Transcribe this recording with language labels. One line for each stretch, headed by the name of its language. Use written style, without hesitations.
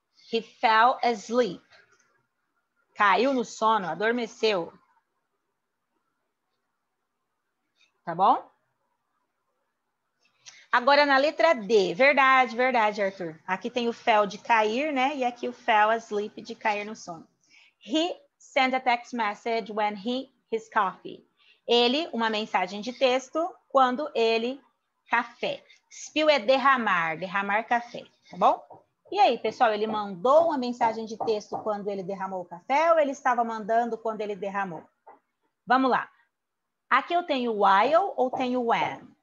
English: He fell asleep.
Portuguese: Caiu no sono, adormeceu. Tá bom? Agora na letra D, verdade, verdade, Arthur. Aqui tem o fell de cair, né? E aqui o fell asleep de cair no sono.
English: He sent a text message when he his coffee.
Portuguese: Ele, uma mensagem de texto, quando ele, café. Spill é derramar, derramar café, tá bom? E aí, pessoal, ele mandou uma mensagem de texto quando ele derramou o café ou ele estava mandando quando ele derramou? Vamos lá. Aqui eu tenho while ou tenho when?